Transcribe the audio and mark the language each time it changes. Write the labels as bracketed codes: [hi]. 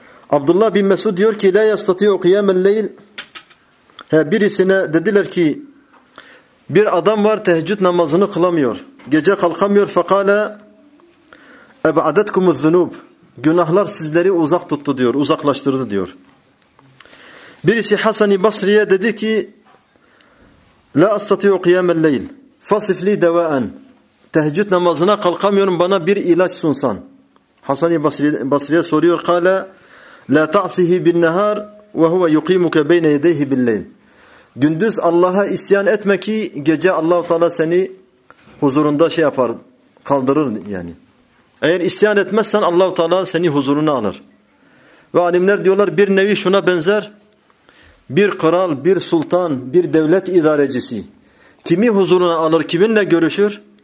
[tr] Abdullah bin Mesud diyor ki, [ar] لَا يَسْتَطِيُوا قِيَامَ اللَّيْلِ. [tr] Birisine dediler ki, bir adam var teheccüd namazını kılamıyor. Gece kalkamıyor. [ar] فَقَالَ اَبْعَدَتْكُمُ الذُّنُوبِ. [tr] Günahlar sizleri uzak tuttu diyor, uzaklaştırdı diyor. Birisi Hasan-ı Basri'ye dedi ki, [ar] لَا أَسْتَطِيُوا قِيَامَ اللَّيْلِ فَصِفْ لِي دَوَاءً. [tr] Teheccüd namazına kalkamıyorum, bana bir ilaç sunsan. Hasan-ı Basri'ye soruyor, [ar] قَالَ لَا تَعْصِهِ بِالنَّهَارِ وَهُوَ يُقِيمُكَ بَيْنَ يَدَيْهِ بِالْلَيْلِ. [tr] Gündüz Allah'a isyan etme ki gece Allah-u Teala seni huzurunda şey yapar, kaldırır yani. Eğer isyan etmezsen Allah-u Teala seni huzuruna alır. Ve alimler diyorlar, bir nevi şuna benzer. Bir kral, bir sultan, bir devlet idarecisi kimi huzuruna alır, kiminle görüşür?